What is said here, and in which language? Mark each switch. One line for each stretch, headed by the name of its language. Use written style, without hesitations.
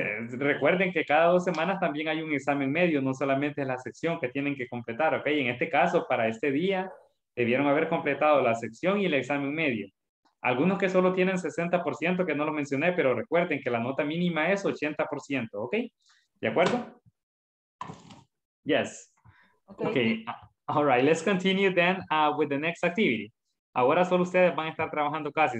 Spanish: Recuerden que cada dos semanas también hay un examen medio, no solamente la sección que tienen que completar, ¿ok? En este caso, para este día, debieron haber completado la sección y el examen medio. Algunos que solo tienen 60%, que no lo mencioné, pero recuerden que la nota mínima es 80%, ¿ok? ¿De acuerdo? Yes. Okay. Okay.
English: All right, let's continue then with the next activity.
Spanish: Ahora solo ustedes van a estar trabajando casi.